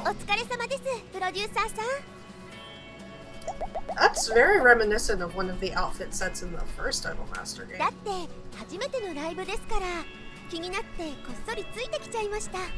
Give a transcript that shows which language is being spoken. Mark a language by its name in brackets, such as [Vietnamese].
[Japanese] お疲れ様です、プロデューサーさん。 [English] That's very reminiscent of one of the outfit sets in the first Idol Master game. [Japanese] だって、初めてのライブですから、気になってこっそりついてきちゃいました。